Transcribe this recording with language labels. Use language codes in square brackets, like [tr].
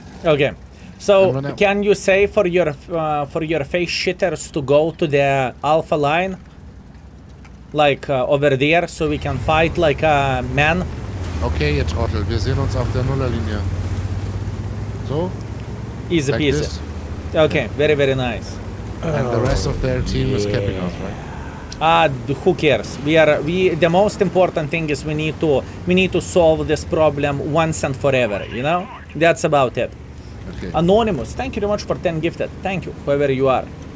[en] Okay, so can you say for your face shitters to go to the alpha line, like over there, so we can fight like a man? [de] Okay, ihr Trottel, wir sehen uns auf der Nullerlinie. [en] So. Easy like peasy. This. Okay, very, very nice. And the rest of their team is capping us, right? Who cares? The most important thing is we need to solve this problem once and forever, you know? That's about it. Okay. Anonymous, thank you very much for 10 gifted. Thank you, whoever you are.